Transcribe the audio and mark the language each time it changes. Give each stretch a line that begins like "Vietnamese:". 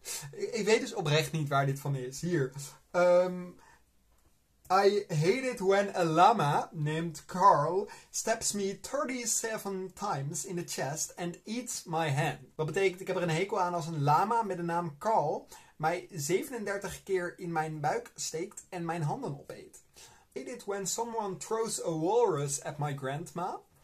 Dutch: ik weet dus oprecht niet waar dit van is. Hier.
English: I hate it when a llama named Carl steps me 37 times in the chest and eats my hand.
Dutch: Wat betekent, ik heb er een hekel aan als een llama met de naam Carl mij 37 keer in mijn buik steekt en mijn handen opeet.
English: I hate it when someone throws a walrus at my grandma.